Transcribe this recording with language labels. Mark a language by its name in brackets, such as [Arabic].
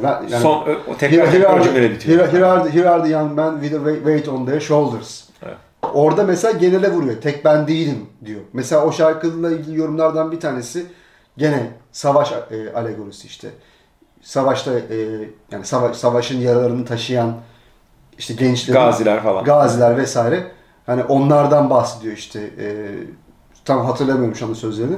[Turkish] yani son, o tekrar cümle bitiyor. [English] Here are the young men with a weight on their shoulders. [Turkish] Evet. Orada mesela genele vuruyor. Tek ben değilim diyor. Mesela o şarkıyla ilgili yorumlardan bir tanesi gene savaş alegorisi işte. Savaşta yani savaşın yaralarını taşıyan işte gençler, gaziler falan. Gaziler vesaire. Hani onlardan bahsediyor işte tam hatırlamıyorum şu anda sözlerini.